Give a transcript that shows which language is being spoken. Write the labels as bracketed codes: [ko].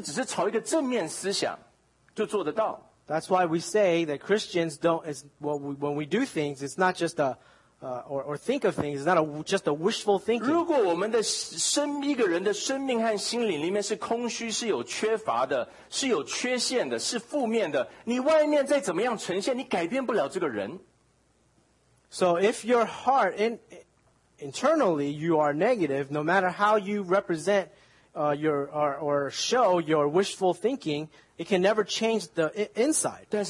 [zh] 这不是，所以为什么我们常说一个基督徒过的生活不是只是朝一个正面思想就做得到。 [en] That's why we say that Christians don't, it's, when we do things, it's not just a, or think of things, it's not a, just a wishful thinking. [zh] 如果我们的生，一个人的生命和心灵里面是空虚，是有缺乏的，是有缺陷的，是负面的， 你外面再怎么样呈现，你改变不了这个人。 [en] So if your heart in, internally, you are negative, no matter how you represent or show your wishful thinking, it can never change the inside.